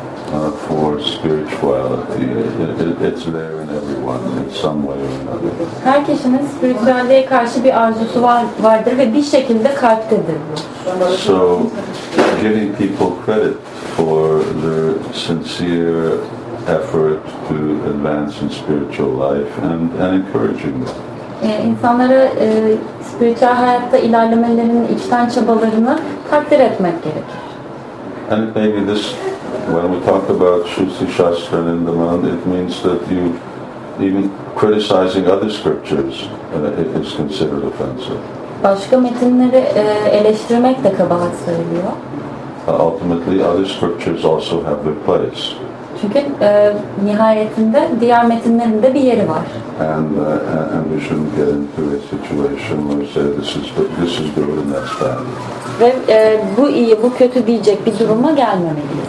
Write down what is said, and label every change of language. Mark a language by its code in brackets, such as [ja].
[en] For spirituality, it's there in everyone in some way or another. [tr] Her kişinin spiritüelliğe karşı bir arzusu vardır ve bir şekilde kalptedir. [en] So, giving people credit for their sincere effort to advance in spiritual life and encouraging them. [tr] İnsanlara spiritüel hayatta ilerlemelerinin içten çabalarını takdir etmek gerek. [en] And maybe this, when we talk about Shruti Shastra and Indaman, it means that you even criticizing other scriptures is considered offensive. [tr] Başka metinleri eleştirmek de kabahat sayılıyor. [en] Ultimately, other scriptures also have their place. [tr] Çünkü nihayetinde diğer metinlerin de bir yeri var. [en] And we shouldn't get into a situation where we say this is good and that's bad. [tr] Ve bu iyi, bu kötü diyecek bir duruma gelmemeliyiz.